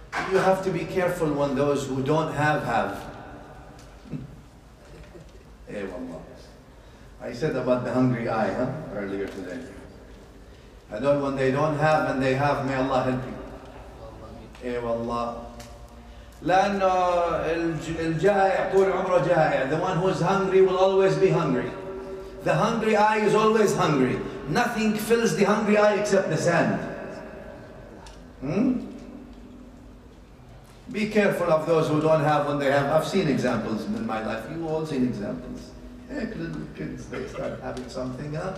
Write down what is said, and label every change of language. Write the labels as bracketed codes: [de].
[en] You have to be careful when those who don't have. I said about the hungry eye, huh, earlier today. I don't, when they don't have and they have, may Allah help you. Eh, wallah. [ar] لأنه الجائع طول عمره جائع. [en] The one who is hungry will always be hungry. The hungry eye is always hungry. Nothing fills the hungry eye except the sand. Be careful of those who don't have when they have. I've seen examples in my life. You all seen examples. Heck, little kids, they start having something.